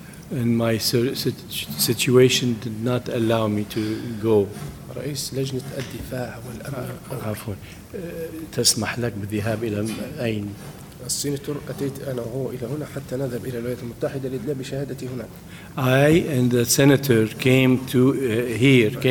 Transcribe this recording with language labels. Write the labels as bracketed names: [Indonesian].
[English] And my situation did not allow me to go. [Arabic] رئيس لجنة الدفاع والأمن. عفوا. تسمح لك بالذهاب إلى أين؟ السينيتور أتيت أنا وهو إلى هنا حتى نذهب إلى الولايات المتحدة لإدلاب شهادتي هنا. [English] I and the senator came to here.